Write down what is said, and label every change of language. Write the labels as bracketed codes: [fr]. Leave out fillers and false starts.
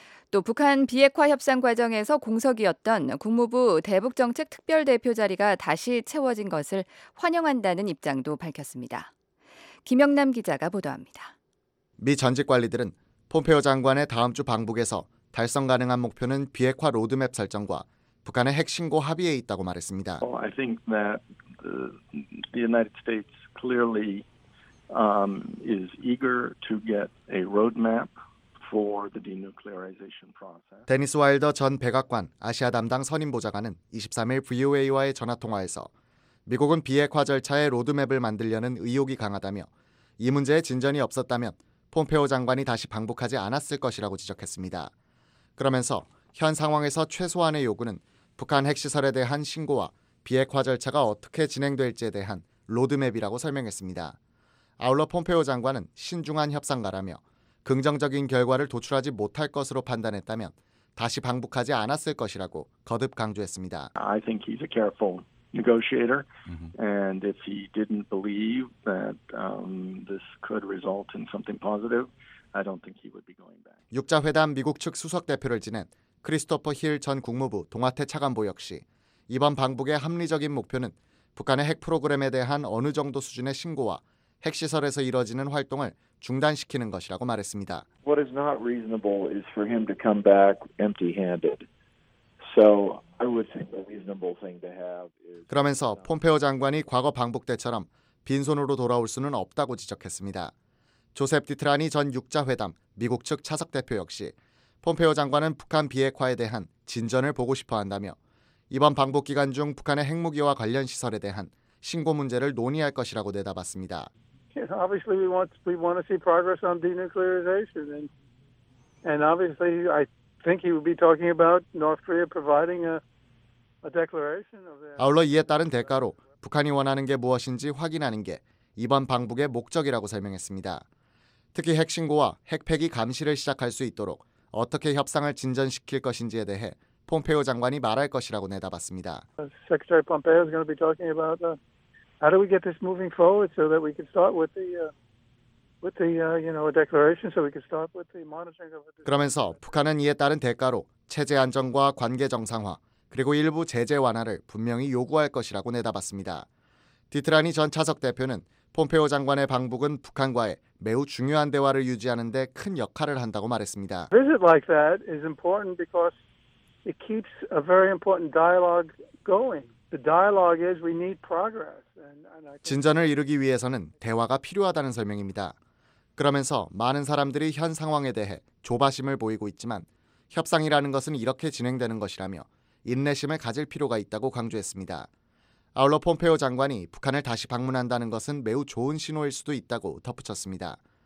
[ko] 또 북한 비핵화 협상 과정에서 공석이었던 국무부 대북정책특별대표 자리가 다시 채워진 것을 환영한다는 입장도 밝혔습니다. 김영남 기자가 보도합니다. 미 전직 관리들은 폼페오 장관의 다음 주 방북에서 달성 가능한 목표는 비핵화 로드맵 설정과 북한의 핵 신고 합의에 있다고 말했습니다. [en] I think that the United States clearly is eager to get a roadmap for the denuclearization process. [ko] 데니스 와일더 전 백악관 아시아 담당 선임 보좌관은 23일 VOA와의 전화 통화에서 미국은 비핵화 절차의 로드맵을 만들려는 의욕이 강하다며 이 문제에 진전이 없었다면 폼페오 장관이 다시 방북하지 않았을 것이라고 지적했습니다. 그러면서 현 상황에서 최소한의 요구는 북한 핵시설에 대한 신고와 비핵화 절차가 어떻게 진행될지에 대한 로드맵이라고 설명했습니다. 아울러 폼페오 장관은 신중한 협상가라며 긍정적인 결과를 도출하지 못할 것으로 판단했다면 다시 방북하지 않았을 것이라고 거듭 강조했습니다. [en] I think he's a careful negotiator. And if he didn't believe that this could result in something positive, I don't think he would be going back. [ko] 육자회담 미국 측 수석 대표를 지낸 크리스토퍼 힐 전 국무부 동아태 차관보 역시 이번 방북의 합리적인 목표는 북한의 핵 프로그램에 대한 어느 정도 수준의 신고와 핵시설에서 이뤄지는 활동을 중단시키는 것이라고 말했습니다. [en] What is not reasonable is for him to come back empty-handed. So I would think the reasonable thing to have is. [ko] 그러면서 폼페오 장관이 과거 방북 때처럼 빈손으로 돌아올 수는 없다고 지적했습니다. 조셉 디트라니 전 6자회담 미국 측 차석 대표 역시 폼페오 장관은 북한 비핵화에 대한 진전을 보고 싶어 한다며 이번 방북 기간 중 북한의 핵무기와 관련 시설에 대한 신고 문제를 논의할 것이라고 내다봤습니다. [en] Obviously we want to see progress on denuclearization and obviously I think he would be talking about North Korea providing a declaration of that. [ko] 아울러 이에 따른 대가로 북한이 원하는 게 무엇인지 확인하는 게 이번 방북의 목적이라고 설명했습니다. 특히 핵 신고와 핵 폐기 감시를 시작할 수 있도록 어떻게 협상을 진전시킬 것인지에 대해 폼페오 장관이 말할 것이라고 내다봤습니다. [en] Secretary Pompeo is going to be talking about how do we get this moving forward so that we can start with the declaration so we can start with the monitoring of the. [ko] 그러면서 북한은 이에 따른 대가로 체제 안정과 관계 정상화 그리고 일부 제재 완화를 분명히 요구할 것이라고 내다봤습니다. 디트라니 전 차석 대표는 폼페오 장관의 방북은 북한과의 매우 중요한 대화를 유지하는 데 큰 역할을 한다고 말했습니다. [en] Visit like that is important because it keeps a very important dialogue going. The dialogue is we need progress. [ko] 진전을 이루기 위해서는 대화가 필요하다는 설명입니다. 그러면서 많은 사람들이 현 상황에 대해 조바심을 보이고 있지만 협상이라는 것은 이렇게 진행되는 것이라며 인내심을 가질 필요가 있다고 강조했습니다. 아울러 폼페오 장관이 북한을 다시 방문한다는 것은 매우 좋은 신호일 수도 있다고 덧붙였습니다.